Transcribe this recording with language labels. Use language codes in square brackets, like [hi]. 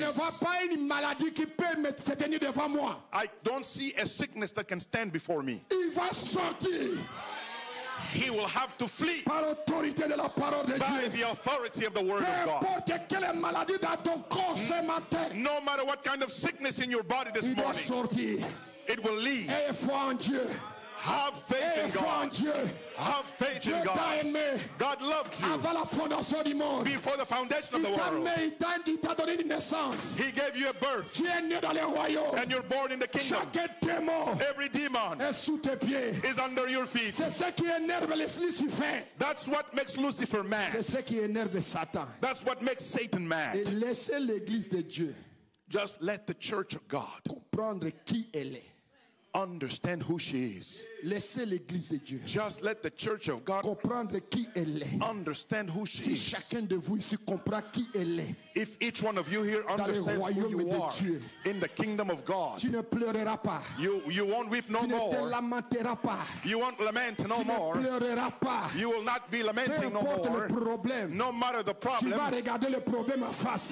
[fr] ne vois pas une maladie qui peut se tenir devant moi. [en] I don't see a sickness that can stand before me. [fr] Il va sortir. [en] He will have to flee by the authority of the word of God. No matter what kind of sickness in your body this morning, it will leave. Have faith in God. Have faith in God. God loved you before the foundation of the world. He gave you a birth. And you're born in the kingdom. Every demon is under your feet. That's what makes Lucifer mad. That's what makes Satan mad. Just let the church of God understand who she is. [fr] Laissez l'église de Dieu. [en] Just let the church of God [fr] comprendre qui elle est. [en] Understand who she [fr] si [en] is. [fr] Si chacun de vous ici comprend qui elle est. [en] If each one of you here understands who you are [fr] Dieu, [en] in the kingdom of God, [fr] tu ne pleureras pas. [en] You won't weep no more. [fr] Tu ne te lamenteras pas. [en] You won't lament no [fr] tu [en] more. [fr] Ne pleureras pas. [en] You will not be lamenting no more. [fr] Le problème, [en] no matter the problem, [fr] tu vas regarder le problème en face.